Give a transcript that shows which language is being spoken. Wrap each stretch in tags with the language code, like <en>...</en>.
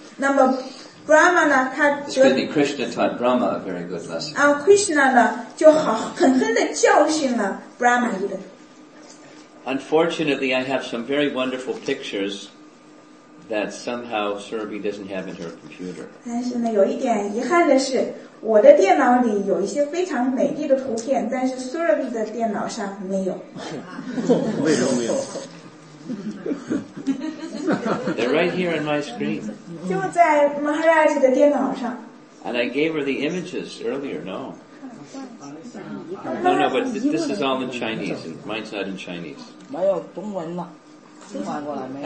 <zh>那么 Brahma 呢，他</zh> <en>Excuse me, Krishna taught Brahma a very good lesson.</en> <zh>啊 ，Krishna 呢就好狠狠的教训了 Brahma 一顿。</zh> <en>Unfortunately, I have some very wonderful pictures. That somehow Surabhi doesn't have in her computer.</en> <zh>但是呢，有一点遗憾的是，我的电脑里有一些非常美丽的图片，但是 Surabhi 的电脑上没有。为什么没有</zh> <en>？They're right here on my screen.</en> <zh>就在 Maharaj 的电脑上。</zh> <en>And I gave her the images earlier. No. No, but this is all in Chinese, and mine's not in Chinese.</en> <zh>没有中文了，中文过来没</zh>